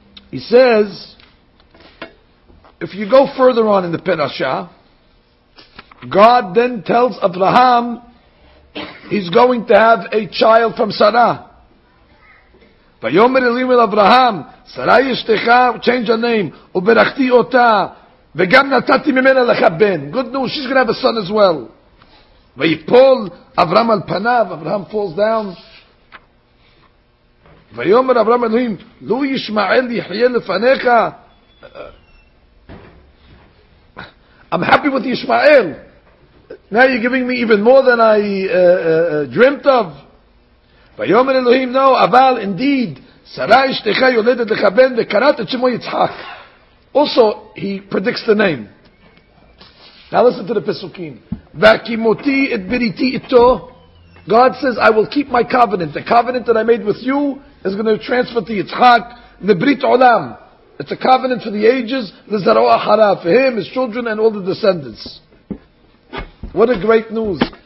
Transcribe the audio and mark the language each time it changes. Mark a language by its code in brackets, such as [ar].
[en] He says, if you go further on in the parasha, God then tells Abraham he's going to have a child from Sarah. [he] ויאמר אלוהים אל אברהם, שרה אשתך, [en] change her name, [he] וברכתי אותה, וגם נתתי ממנה לך בן. [en] Good news, she's going to have a son as well. [he] ויפול אברהם על פניו, אברהם [en] falls down. [he] ויאמר אברהם אלוהים, לו ישמעאל יחיה לפניך. [en] I'm happy with ישמעאל. Now you're giving me even more than I dreamt of. [he] ויאמר אלוהים, [en] no, [he] אבל indeed, שרה אשתך יולדת לך בן, וקראת את שמו יצחק. [en] Also, he predicts the name. Now listen to the pesukim. [he] Vakimoti et biriti ito. [en] God says, I will keep my covenant. The covenant that I made with you is going to transfer to Yitzhak. [he] Nebrit olam. [en] It's a covenant for the ages. [he] Lezaro achara. [en] For him, his children, and all the descendants. What a great news.